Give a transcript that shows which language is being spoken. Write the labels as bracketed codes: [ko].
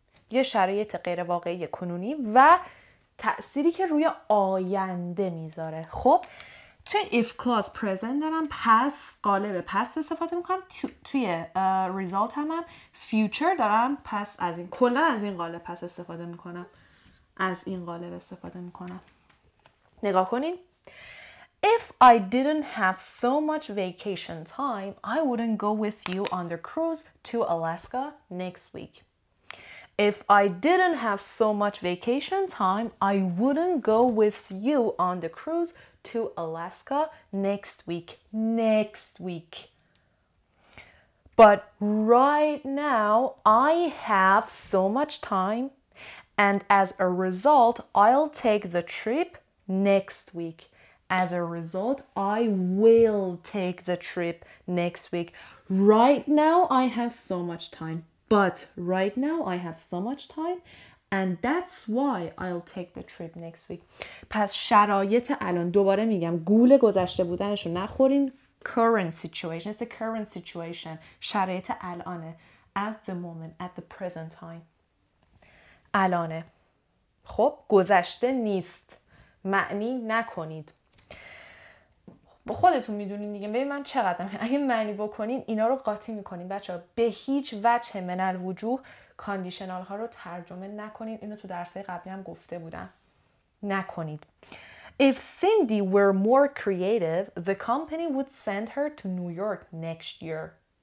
[fa] یه شرایط غیر واقعی کنونی و تأثیری که روی آینده میذاره. خب توی if clause present دارم، پس قالب پس استفاده میکنم، توی result هم future دارم، پس از این کلا از این قالب پس استفاده میکنم، از این قالب استفاده میکنم. نگاه کنین، [en] If I didn't have so much vacation time, I wouldn't go with you on the cruise to Alaska next week. If I didn't have so much vacation time, I wouldn't go with you on the cruise to Alaska next week. Next week. But right now, I have so much time, and as a result, I'll take the trip next week. As a result, I will take the trip next week. Right now, I have so much time. But right now, I have so much time. And that's why I'll take the trip next week. [fa] پس شرایط الان، دوباره میگم، گول گذشته بودنشو نخورین. [en] Current situation. It's a current situation. [fa] شرایط الانه. [en] At the moment. At the present time. [fa] الانه. خب گذشته نیست. معنی نکنید. خودتون میدونین دیگه. ببین من چقدرم، اگه معنی بکنین اینا رو قاطی میکنین بچه ها. به هیچ وجه من الوجوه کاندیشنال ها رو ترجمه نکنین. اینو تو درسای قبلی هم گفته بودم، نکنید. [en] If Cindy were more creative, the company would send her to New York next year.